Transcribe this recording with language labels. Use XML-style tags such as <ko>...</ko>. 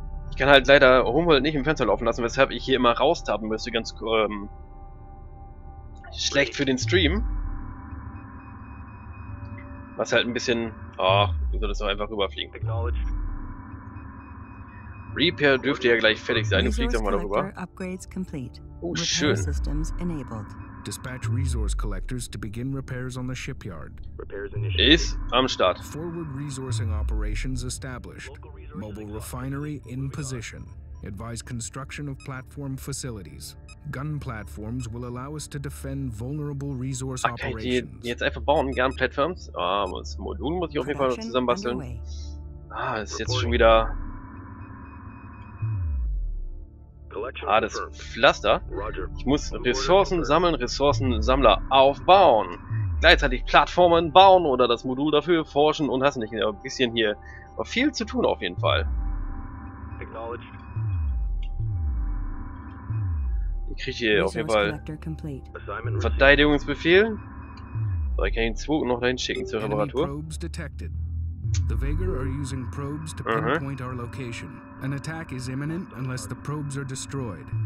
<de>Ich kann halt leider Homeworld nicht im Fenster laufen lassen, weshalb ich hier immer raustappen müsste, ganz schlecht für den Stream. Was halt ein bisschen... Oh, wie soll das doch einfach rüberfliegen? Repair dürfte ja gleich fertig sein. Du fliegst doch mal darüber.</de> <en>Upgrades complete.</en> <de>Oh, schön.</de> <en>Systems enabled. Dispatch resource collectors to begin repairs on the shipyard.</en> <de>Ist am Start.</de> <en>Forward resourcing operations established. Mobile refinery in position. Advise construction of platform facilities. Gun platforms will allow us to defend vulnerable resource operations.</en> <de>Ach, kann ich die jetzt einfach bauen? Gun platforms? Ah, oh, das Modul muss ich auf jeden Fall noch zusammenbasteln. Ah, das ist jetzt schon wieder. Ah, das Pflaster. Ich muss Ressourcen sammeln, Ressourcensammler aufbauen. Gleichzeitig Plattformen bauen oder das Modul dafür forschen und hast nicht ein bisschen hier viel zu tun auf jeden Fall. Ich kriege hier auf jeden Fall Verteidigungsbefehl. So, ich kann den zweiten noch dahin schicken zur Reparatur.</de> <en>The Vager are using probes to pinpoint our location. An attack is imminent unless the probes are destroyed.</en>